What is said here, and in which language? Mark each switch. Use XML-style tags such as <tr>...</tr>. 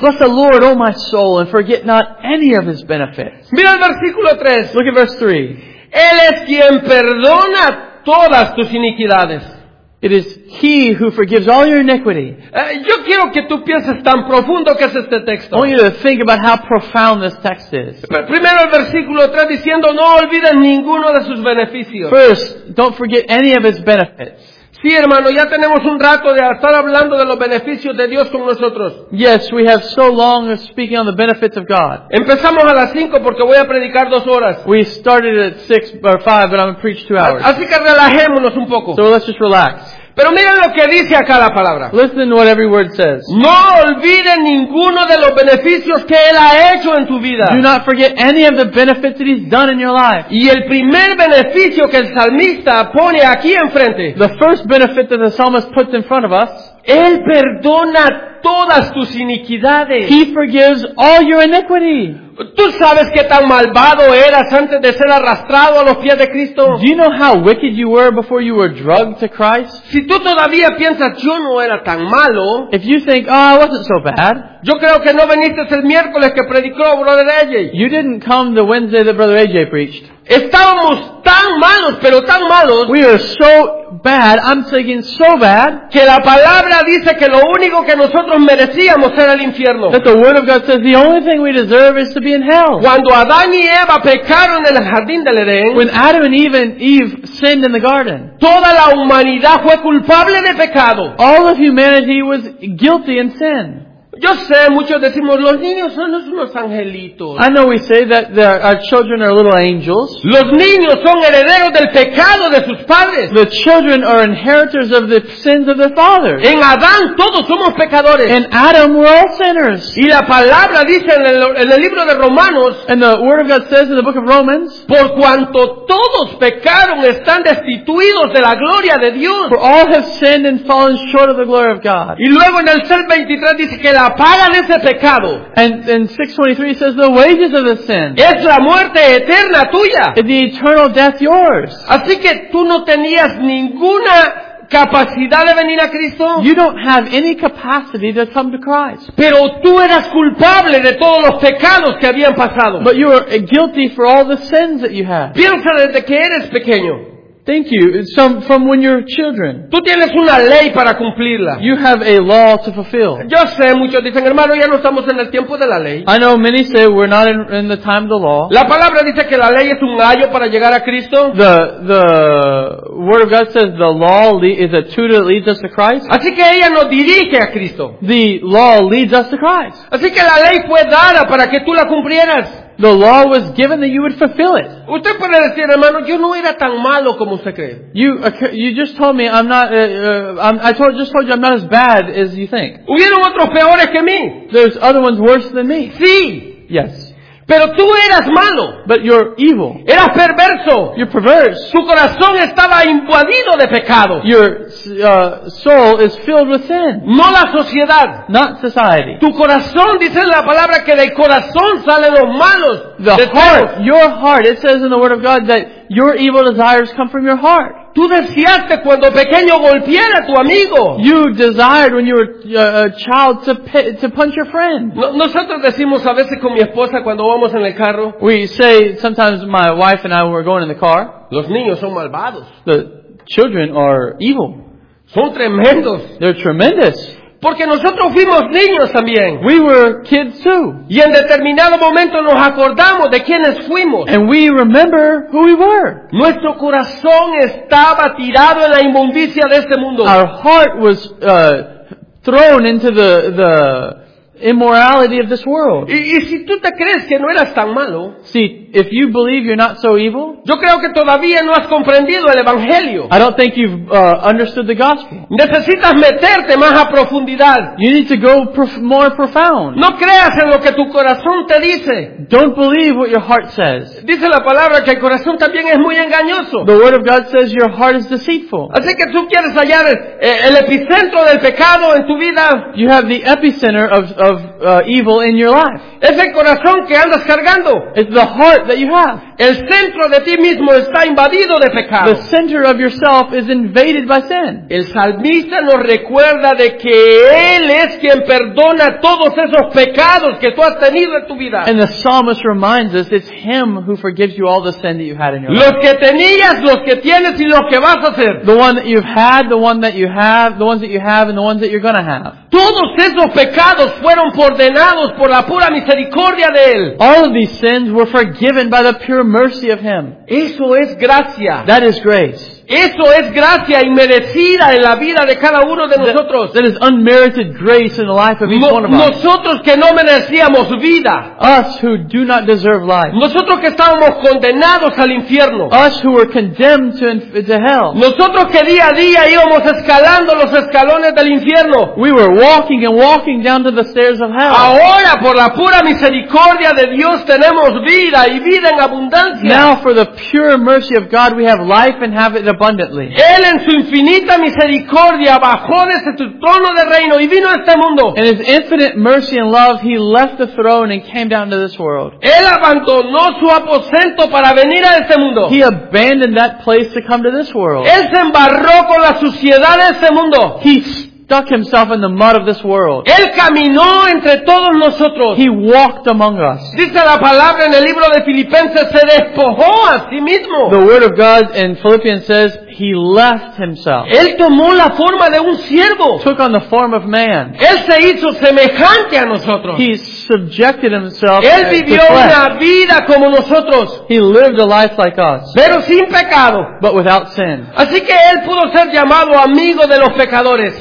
<en>Bless the Lord, O my soul, and forget not any of his benefits.</en> <es>Mira el versículo 3.</es> <en>Look at verse 3.</en> <es>Él es quien perdona todas tus iniquidades.</es> <en>It is He who forgives all your iniquity.</en> <es>Yo quiero que tú pienses tan profundo que es este texto.</es> <en>I want you to think about how profound this text is.</en> <es>Primero el versículo 3 diciendo no olvides ninguno de sus beneficios.</es> <en>First, don't forget any of his benefits.</en> <es>Sí, hermano, ya tenemos un rato de estar hablando de los beneficios de Dios con nosotros.</es> <en>Yes, we have so long of speaking on the benefits of God.</en> <es>Empezamos a las 5 porque voy a predicar 2 horas.</es> <en>We started at 6 or 5, but I'm going to preach 2 hours.</en> <es>Así que relajémonos un poco.</es> <en>So let's just relax.</en> <es>Pero miren lo que dice acá la palabra.</es> <en>Listen to what every word says.</en> <es>No olviden ninguno de los beneficios que Él ha hecho en tu vida.</es> <en>Do not forget any of the benefits that He's done in your life.</en> <es>Y el primer beneficio que el salmista pone aquí enfrente.</es> <en>The first benefit that the psalmist puts in front of us.</en> <es>Él perdona todas tus iniquidades.</es> <en>He forgives all your iniquity.</en> <es>¿Tú sabes qué tan malvado eras antes de ser arrastrado a los pies de Cristo?</es> <en>Do you know how wicked you were before you were dragged to Christ?</en> <es>Si tú todavía piensas yo no era tan malo.</es> <en>If you think, oh, I wasn't so bad.</en> <es>Yo creo que no viniste el miércoles que predicó Brother AJ.</es> <en>You didn't come the Wednesday that Brother AJ preached.</en> <es>Estábamos tan malos, pero tan malos.</es> <en>We are so bad, I'm thinking so bad.</en> <es>Que la palabra dice que lo único que nosotros merecíamos era el infierno.</es> <en>That the word of God says the only thing we deserve is to be in hell.</en> <es>Cuando Adán y Eva pecaron en el jardín del Edén.</es> <en>When Adam and Eve sinned in the garden.</en> <es>Toda la humanidad fue culpable de pecado.</es> <en>All of humanity was guilty in sin.</en> <es>Yo sé, muchos decimos, los niños son unos angelitos.</es> <en>I know we say that our children are little angels.</en> <es>Los niños son herederos del pecado de sus padres.</es> <en>The children are inheritors of the sins of their fathers.</en> <es>En Adán todos somos pecadores.</es> <en>In Adam we're all sinners.</en> <es>Y la palabra dice en el libro de Romanos.</es> <en>And the word of God says in the book of Romans.</en> <es>Por cuanto todos pecaron están destituidos de la gloria de Dios.</es> <en>For all have sinned and fallen short of the glory of God.</en> <es>Y luego en el Salmo 23 dice que la paga de ese pecado.</es> <en>And 6:23 says the wages of the sin.</en> <es>Es la muerte eterna tuya.</es> <en>The eternal death yours.</en> <es>Así que tú no tenías ninguna capacidad de venir a Cristo.</es> <en>You don't have any capacity to come to Christ.</en> <es>Pero tú eras culpable de todos los pecados que habían pasado.</es> <en>But you were guilty for all the sins that you had.</en> <es>Piensa desde que eres pequeño.</es> <en>Thank you. From when you're children.</en> <es>Tú tienes una ley para cumplirla.</es> <en>You have a law to fulfill.</en> <es>Yo sé, muchos dicen, hermano, ya no estamos en el tiempo de la ley.</es> <en>I know many say we're not in the time of the law.</en> <es>La palabra dice que la ley es un gallo para llegar a Cristo.</es> <en>The word of God says the law is a tutor that leads us to Christ.</en> <es>Así que ella nos dirige a Cristo.</es> <en>The law leads us to Christ.</en> <es>Así que la ley fue dada para que tú la cumplieras.</es> <en>The law was given that you would fulfill it.</en> <es>Usted puede decir, hermano, yo no era tan malo como usted cree.</es> <en>You just told me I'm not. I just told you I'm not as bad as you think.</en> <es>Hubieron otros peores que mí.</es> <en>There's other ones worse than me.</en> <es>Sí.</es> <en>Yes.</en> <es>Pero tú eras malo.</es> <en>But you're evil.</en> <es>Eras perverso.</es> <en>You're perverse.</en> <es>Su corazón estaba invadido de pecado.</es> <en>Your soul is filled with sin.</en> <es>No la sociedad.</es> <en>Not society.</en> <es>Tu corazón, dice la palabra, que del corazón salen los malos.</es> <en>The heart. Your heart. It says in the Word of God that your evil desires come from your heart.</en> <es>Tú deseaste cuando pequeño golpear a tu amigo.</es> <en>You desired when you were a child to punch your friend.</en> <es>Nosotros decimos a veces con mi esposa cuando vamos en el carro.</es> <en>We say sometimes my wife and I were going in the car.</en> <es>Los niños son malvados.</es> <en>The children are evil.</en> <es>Son tremendos.</es> <en>They're tremendous.</en> <es>Porque nosotros fuimos niños también.</es> <en>We were kids too.</en> <es>Y en determinado momento nos acordamos de quienes fuimos.</es> <en>And we remember who we were.</en> <es>Nuestro corazón estaba tirado en la inmundicia de este mundo.</es> <en>Our heart was thrown into the immorality of this world.</en> <es>Y si tú te crees que no eras tan malo,</es> <en>see, if you believe you're not so evil,</en> <es>yo creo que todavía no has comprendido el evangelio.</es> <en>I don't think you've understood the gospel.</en> <es>Necesitas meterte más a profundidad.</es> <en>You need to go more profound.</en> <es>No creas en lo que tu corazón te dice.</es> <en>Don't believe what your heart says.</en> <es>Dice la palabra que el corazón también es muy engañoso.</es> <en>The word of God says your heart is deceitful.</en> <es>Así que tú quieres hallar el epicentro del pecado en tu vida.</es> <en>You have the epicenter of evil in your life.</en> <es>Es el corazón que andas cargando.</es> <en>It's the heart that you have.</en> <es>El centro de ti mismo está invadido de pecado.</es> <en>The center of yourself is invaded by sin.</en> <es>El salmista nos recuerda de que Él es quien perdona todos esos pecados que tú has tenido en tu vida.</es> <en>And the psalmist reminds us it's Him who forgives you all the sin that you had in your</en> <es>los</es> <en>life.</en> <es>Los que tenías, los que tienes y los que vas a hacer.</es> <en>The one that you've had, the one that you have, the ones that you have, and the ones that you're going to have.</en> <es>Todos esos pecados fueron ordenados por la pura misericordia de Él.</es> <en>All of these sins were forgiven by the pure mercy of Him.</en> <es>Eso es gracia.</es> <en>That is grace.</en> <es>Eso es gracia inmerecida en la vida de cada uno de nosotros.</es> <en>That is unmerited grace in the life of each one of us.</en> <es>Nosotros que no merecíamos vida.</es> <en>Us who do not deserve life.</en> <es>Nosotros que estábamos condenados al infierno.</es> <en>Us who were condemned to hell.</en> <es>Nosotros que día a día íbamos escalando los escalones del infierno.</es> <en>We were walking and walking down to the stairs of hell.</en> <es>Ahora por la pura misericordia de Dios tenemos vida y vida en abundancia.</es> <en>Now for the pure mercy of God we have life and have abundantly.</en> <es>Él en su infinita misericordia bajó desde su trono de reino y vino a este mundo.</es> <en>In His infinite mercy and love, He left the throne and came down to this world.</en> <es>Él abandonó su aposento para venir a este mundo.</es> <en>He abandoned that place to come to this world.</en> <es>Él se embarró con la suciedad de este mundo.</es> <en>He stuck Himself in the mud of this world.</en> <es>Él caminó entre todos nosotros.</es> <en>He walked among us.</en> <es>Dice la palabra en el libro de Filipenses, se despojó a sí mismo.</es> <en>The word of God in Philippians says He left Himself.</en> <es>Él tomó la forma de un siervo.</es> <en>Took on the form of man.</en> <es>Él se hizo semejante a nosotros.</es> <en>He subjected Himself.</en> <es>Él vivió una vida como nosotros.</es> <en>He lived a life like us.</en> <es>Pero sin pecado.</es> <en>But without sin.</en> <es>Así que Él pudo ser llamado amigo de los pecadores.</es>